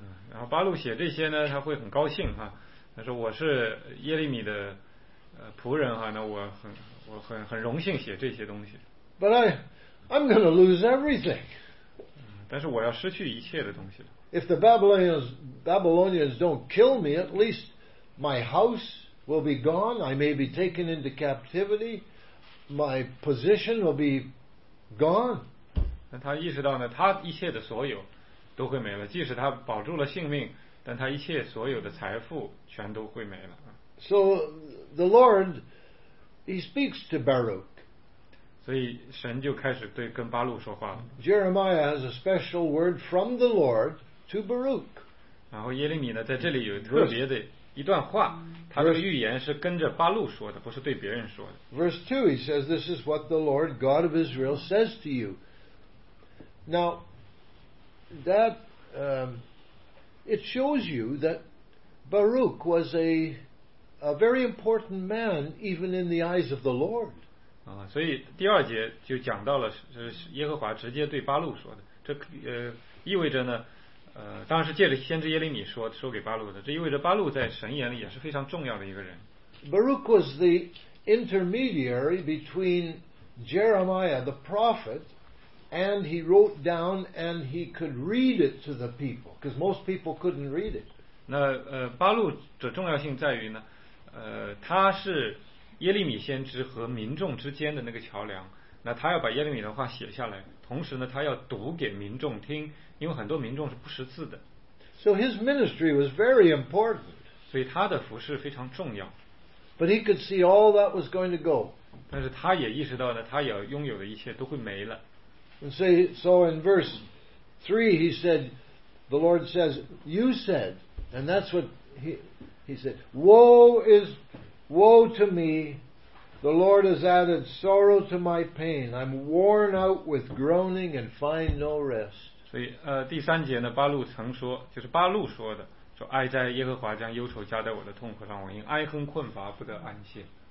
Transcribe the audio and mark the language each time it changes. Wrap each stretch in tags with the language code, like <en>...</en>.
<zh>然后巴录写这些呢，他会很高兴哈。他说我是耶利米的仆人哈，那我很荣幸写这些东西。</zh> <en>But I'm going to lose everything.</en> <zh>但是我要失去一切的东西了。</zh> <en>If the Babylonians don't kill me, at least my house will be gone. I may be taken into captivity. My position will be gone.</en> <zh>那他意识到呢，他一切的所有都会没了。即使他保住了性命，但他一切所有的财富全都会没了。</zh> <en>So the Lord, he speaks to Baruch.</en> <zh>所以神就开始对跟巴录说话了。</zh> <en>Jeremiah has a special word from the Lord to Baruch.</en> <zh>然后耶利米呢，在这里有特别的。一段话，他这个预言是跟着巴录说的，不是对别人说的。</zh> <en>Verse 2, he says, This is what the Lord God of Israel says to you. Now, that, it shows you that Baruch was a very important man, even in the eyes of the Lord.</en> <zh>所以第二节就讲到了耶和华直接对巴录说的，这意味着呢，当然是借着先知耶利米说给巴录的，这意味着巴录在神眼里也是非常重要的一个人。</zh> <en>Baruch was the intermediary between Jeremiah the prophet, and he wrote down and he could read it to the people, because most people couldn't read it.</en> <zh>那巴录的重要性在于呢，他是耶利米先知和民众之间的那个桥梁。那他要把耶利米的话写下来，同时呢，他要读给民众听，因为很多民众是不识字的。</zh> <en>So his ministry was very important.</en> <zh>所以他的服事非常重要。</zh> <en>But he could see all that was going to go.</en> <zh>但是他也意识到呢，他要拥有的一切都会没了。</zh> <en>And so in verse 3 he said, the Lord says, you said, and that's what he said, woe to me, the Lord has added sorrow to my pain. I'm worn out with groaning and find no rest.</en> <zh>所以第三节呢，巴录曾说，就是巴录说的，说哀哉，耶和华将忧愁加在我的痛苦上，我因哀哼困乏不得安歇。</zh>